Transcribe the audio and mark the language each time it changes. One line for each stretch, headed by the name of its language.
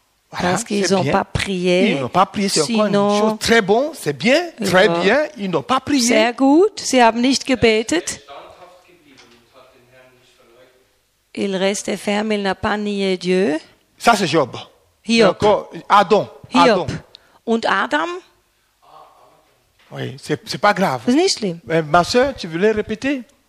French: Voilà, parce qu'ils n'ont pas prié. Ils n'ont pas prié, c'est sinon, encore une chose très bon, c'est bien, très bien. Ils n'ont pas prié.
German: Sehr gut, sie haben nicht gebetet.
French: Il reste ferme, il n'a pas nié Dieu. Ça, c'est Job.
German: Hiob.
French: Encore, Adam.
German: Hiob.
French: Adam.
German: Und Adam?
French: Oui, c'est pas grave.
German: C'est nicht schlimm.
French: Mais ma soeur, tu voulais répéter?